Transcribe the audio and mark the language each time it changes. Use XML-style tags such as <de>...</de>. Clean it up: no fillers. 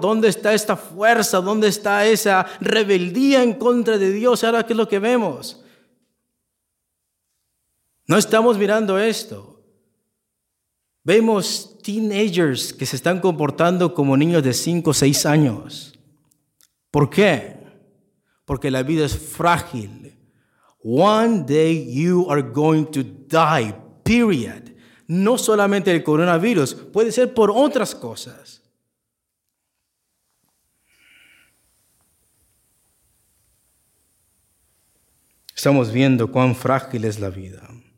<es>¿Dónde está esta fuerza? ¿Dónde está esa rebeldía en contra de Dios? ¿Ahora qué es lo que vemos? No estamos mirando esto. Vemos teenagers que se están comportando como niños de 5 o 6 años. ¿Por qué? Porque la vida es frágil.</es> <en>One day you are going to die, period.</en> <es>No solamente el coronavirus, puede ser por otras cosas. Estamos viendo cuán frágil es la vida.</es>